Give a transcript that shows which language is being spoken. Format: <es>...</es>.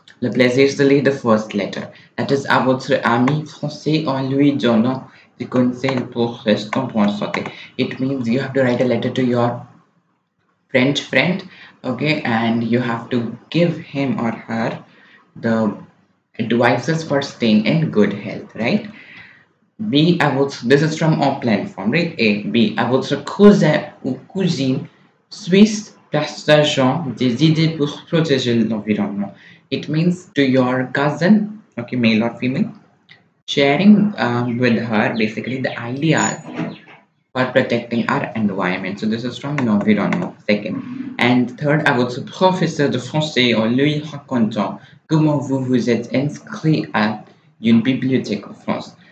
<fr>Le plaisir de lire,</fr> <en>the first letter. That is</en> <fr>à votre ami français en lui donnant des conseils pour rester en santé.</fr> <en>It means you have to write a letter to your French friend, okay? And you have to give him or her the advices for staying in good health, right? B, this is from</en> <fr>en plein form,</fr> <en>right?</en> <fr>A, B, à votre cousin ou cousine suisse partageant des idées pour protéger l'environnement.</fr> <en>It means to your cousin, okay, male or female, sharing with her basically the ideas for protecting our environment. So this is from l'environnement, second. And third,</en> <fr>à votre professeur de français en lui racontant comment vous vous êtes inscrit à une bibliothèque en France.</fr>